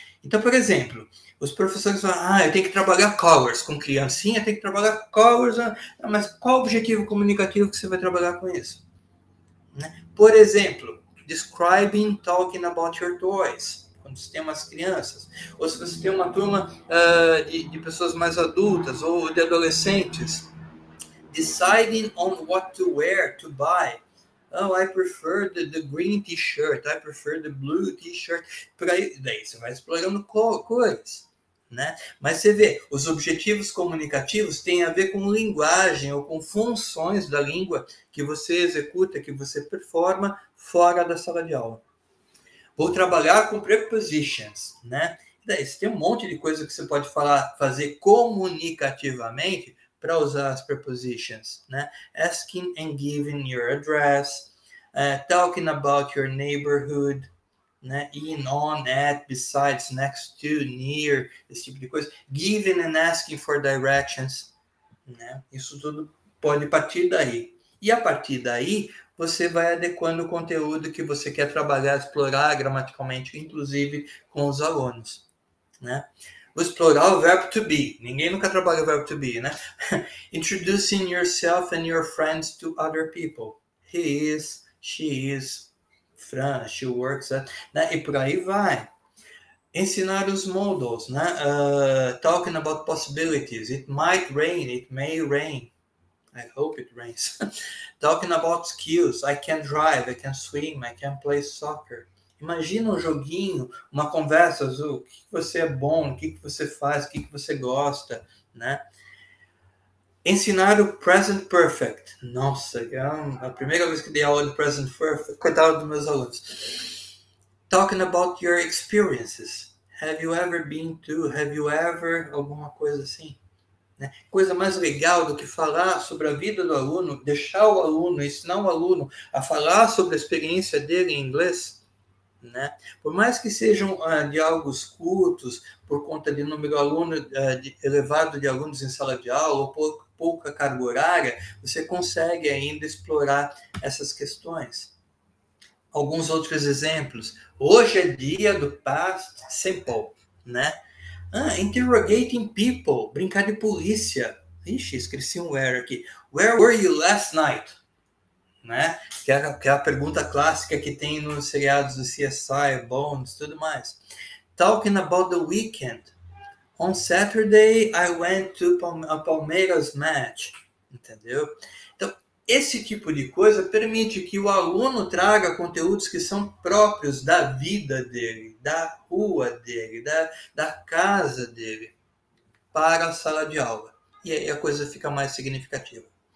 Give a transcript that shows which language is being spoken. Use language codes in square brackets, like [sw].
[pt] Então, por exemplo, os professores falam, ah, eu tenho que trabalhar colors com criancinha, tem que trabalhar colors, mas qual o objetivo comunicativo que você vai trabalhar com isso? Né? Por exemplo, [en] describing, talking about your toys, [pt] quando você tem umas crianças. Ou se você tem uma turma de pessoas mais adultas ou de adolescentes. [en] Deciding on what to wear to buy. Oh, I prefer the green t-shirt. I prefer the blue t-shirt. [pt] Daí você vai explorando cores, né? Mas você vê, os objetivos comunicativos têm a ver com linguagem ou com funções da língua que você executa, que você performa fora da sala de aula. Vou trabalhar com prepositions, né? Daí, você tem um monte de coisa que você pode falar, fazer comunicativamente para usar as prepositions, né? [en] Asking and giving your address, talking about your neighborhood, [pt] né? [en] In, on, at, besides, next to, near, [pt] esse tipo de coisa. [en] Giving and asking for directions, [pt] né? Isso tudo pode partir daí. E a partir daí, você vai adequando o conteúdo que você quer trabalhar, explorar gramaticalmente, inclusive com os alunos, né? Vou explorar o verbo to be. Ninguém nunca trabalha o verbo to be, né? [en] Introducing yourself and your friends to other people. He is, she is, Fran, she works at, [pt] né? E por aí vai. Ensinar os modals, né? [en] Talking about possibilities. It might rain, it may rain. I hope it rains. Talking about skills. I can drive, I can swim, I can play soccer. [pt] Imagina um joguinho, uma conversa, Azul. O que você é bom, o que você faz, o que você gosta, né? Ensinar o present perfect. Nossa, é a primeira vez que dei aula de present perfect. Coitado dos meus alunos. [en] Talking about your experiences. Have you ever been to? Have you ever? [pt] Alguma coisa assim. Coisa mais legal do que falar sobre a vida do aluno, deixar o aluno, ensinar o aluno a falar sobre a experiência dele em inglês, né? Por mais que sejam diálogos curtos, por conta de número aluno elevado de alunos em sala de aula, ou pouca carga horária, você consegue ainda explorar essas questões. Alguns outros exemplos. Hoje é dia do past simple, né? Ah, [en] interrogating people, [pt] brincar de polícia. Ixi, esqueci um where aqui. [en] Where were you last night? [pt] Né? Que é a pergunta clássica que tem nos seriados do CSI, Bones, tudo mais. [en] Talking about the weekend. On Saturday, I went to a Palmeiras match. [pt] Entendeu? Então, esse tipo de coisa permite que o aluno traga conteúdos que são próprios da vida dele, da rua dele, da casa dele, para a sala de aula. E aí a coisa fica mais significativa.